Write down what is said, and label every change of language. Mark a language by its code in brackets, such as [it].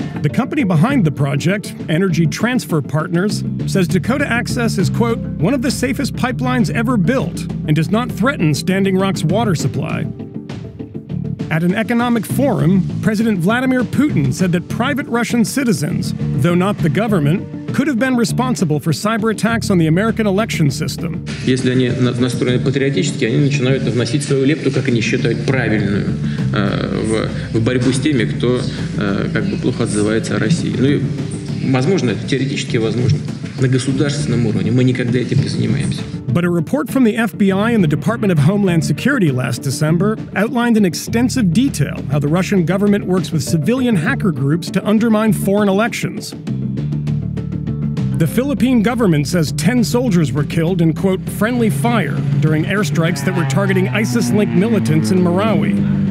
[en] The company behind the project, Energy Transfer Partners, says Dakota Access is, quote, one of the safest pipelines ever built and does not threaten Standing Rock's water supply. At an economic forum, President Vladimir Putin said that private Russian citizens, though not the government, could have been responsible for cyber attacks on the American election system. [ru] Если они настроены патриотически, они начинают вносить свою лепту, как они считают правильную, в борьбу с теми, кто как бы плохо отзывается о России. Ну и возможно, это теоретически возможно. На государственном уровне мы никогда этим не занимаемся. [en] But a report from the FBI and the Department of Homeland Security last December outlined in extensive detail how the Russian government works with civilian hacker groups to undermine foreign elections. The Philippine government says 10 soldiers were killed in, quote, friendly fire during airstrikes that were targeting ISIS-linked militants in Marawi.